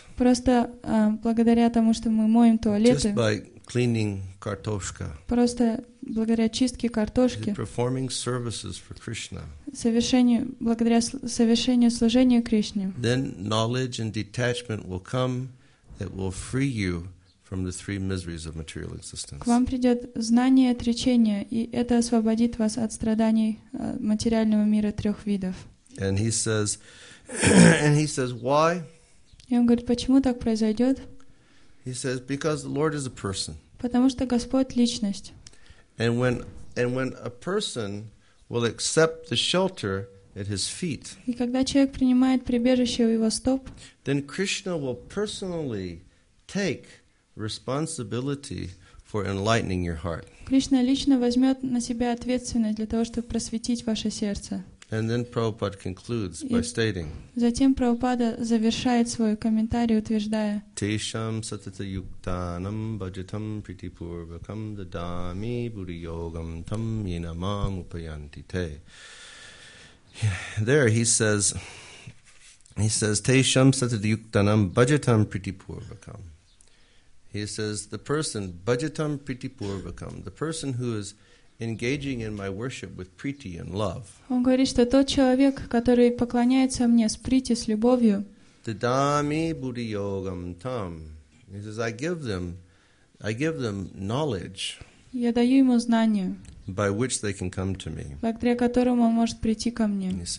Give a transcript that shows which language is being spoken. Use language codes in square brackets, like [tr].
[ru] Просто благодаря тому, что мы моем туалеты. [en] Just by cleaning [ru] картошка. Просто благодаря чистке картошки, [en] performing services for Krishna, [ru] совершению, благодаря совершению служения Кришне, [en] then knowledge and detachment will come that will free you from the three miseries of material existence. [ru] К вам придет знание и отречение, и это освободит вас от страданий материального мира трех видов. [en] And he says, and he says, why? [ru] И он говорит, почему так произойдет? [en] He says, because the Lord is a person. [ru] Потому что Господь — личность. [en] And when a person will accept the shelter at his feet, [ru] и когда человек принимает прибежище у его стоп, [en] then Krishna will personally take responsibility for enlightening your heart. [ru] Кришна лично возьмет на себя ответственность для того, чтобы просветить ваше сердце. [en] And then Prabhupada concludes by stating. [ru] Затем Прабхупада завершает свой комментарий, утверждая. [sa] Тешам сатата юктанам баджатам притипурвакам дадами буриогам там инамам упаянти те. [en] There he says, [sa] Тешам сатата юктанам баджатам притипурвакам. [en] He says, the person, [sa] баджатам притипурвакам, [en] the person who is engaging in my worship with priti and love. [ru] Он говорит, что тот человек, который поклоняется мне с прити, с любовью. [sa] Дадами буди йогам там. [en] He says, I give them knowledge. [ru] Я даю ему знание. [en] By which they can come to me. [ru] Благодаря которому он может прийти ко мне.